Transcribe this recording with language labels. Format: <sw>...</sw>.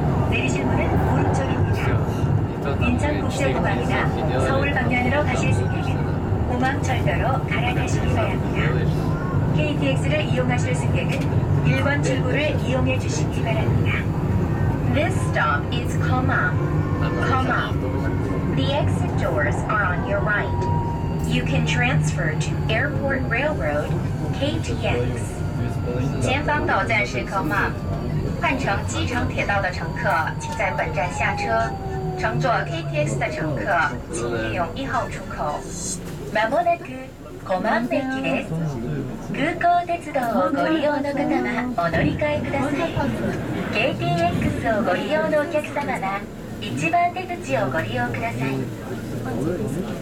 <ko>내리실 문은 오른쪽입니다. 인천국제공항이나 서울 방향으로 가실 승객은 공항 철도로 갈아타시기 바랍니다. KTX를 이용하실 승객은 1번 출구를 이용해 주시기 바랍니다.</ko> <en>This stop is Coma. Coma. The exit doors are on your right. You can transfer to Airport Railroad KTX.</en> <zh>前方到站是 Coma。换乘机场铁道的乘客请在本站下车，乘坐 KTX 的乘客请利用一号出口。</zh> <ja>まもなく小満駅です。空港鉄道をご利用の方はお乗り換えください。 KTX をご利用のお客様は一番出口をご利用ください。</ja>